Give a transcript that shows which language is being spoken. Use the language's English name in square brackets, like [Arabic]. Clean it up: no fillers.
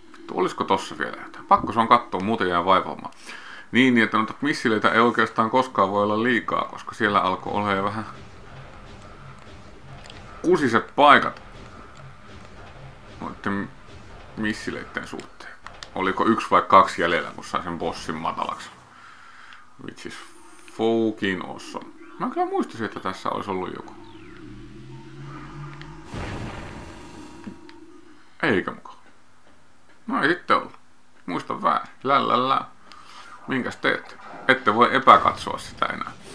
[Finnish] Olisiko tossa vielä jotain? Pakko se on kattoo, muuten jää vaivaamaan. Niin, että noita missileitä ei oikeastaan koskaan voi olla liikaa, koska siellä alkoi olemaan vähän kusiset paikat noitten missileitten suhteen. Oliko yksi vai kaksi jäljellä, kun sain sen bossin matalaksi? [English] Which is fucking awesome. [Finnish] Mä kyllä muistisin, että tässä olisi ollut joku. Eikä mukaan. No ei sitten ollut. Muista väärin. Lällällä. Minkäs teet? Ette voi epäkatsoa sitä enää.